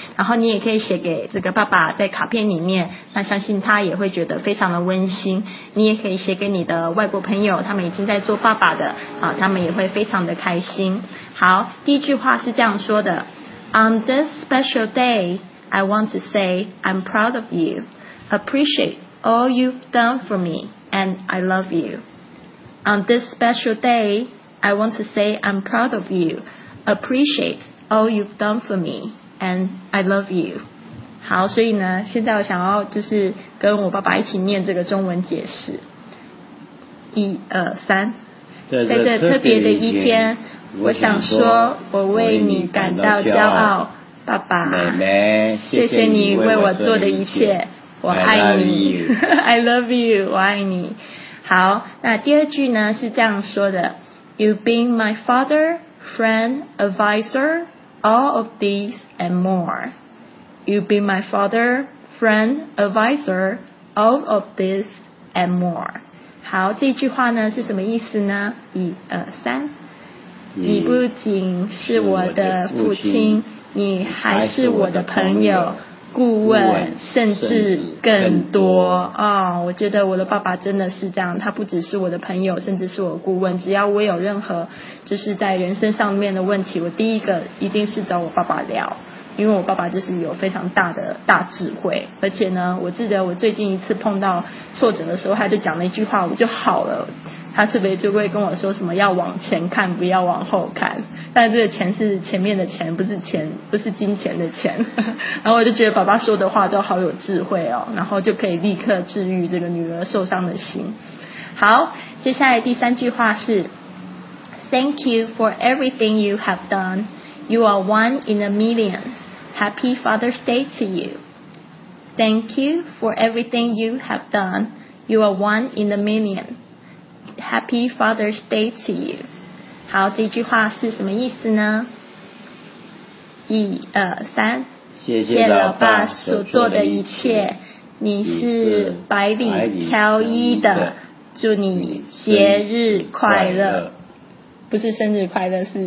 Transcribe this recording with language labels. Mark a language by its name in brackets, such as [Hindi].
[Chinese] 然后你也可以写给这个爸爸在卡片里面，那相信他也会觉得非常的温馨。你也可以写给你的外国朋友，他们已经在做爸爸的啊，他们也会非常的开心。好，第一句话是这样说的 ： [English] On this special day。 I want to say I'm proud of you, appreciate all you've done for me, and I love you. On this special day, I want to say I'm proud of you, appreciate all you've done for me, and I love you. [Chinese] 好，所以呢，现在我想要就是跟我爸爸一起念这个中文解释。一、二、三，在这特别的一天，我想说我为你感到骄傲。爸爸妹妹，谢谢你为我做的一切，我爱你 [English] I love you， [Chinese] 我爱你。好，那第二句呢是这样说的 [English] You've been my father, friend, advisor, all of these and more. You've been my father, friend, advisor, all of this and more. [Chinese] 好，这句话呢是什么意思呢？一二三，你不仅是我的父亲，你还是我的朋友、顾问，甚至更多啊、哦！我觉得我的爸爸真的是这样，他不只是我的朋友，甚至是我的顾问。只要我有任何就是在人生上面的问题，我第一个一定是找我爸爸聊，因为我爸爸就是有非常大的大智慧。而且呢，我记得我最近一次碰到挫折的时候，他就讲了一句话，我就好了。他特别就会跟我说什么要往前看，不要往后看。但这个钱是前面的钱，不是钱，不是金钱的钱。然后我就觉得爸爸说的话都好有智慧哦，然后就可以立刻治愈这个女儿受伤的心。好，接下来第三句话是 [English] ：Thank you for everything you have done. You are one in a million. Happy Father's Day to you. Thank you for everything you have done. You are one in a million. Happy Father's Day to you. [Chinese] 好，这句话是什么意思呢？一、二、三。谢谢老爸所做的一切，你是百里挑一的，祝你节日快乐。不是生日快乐，是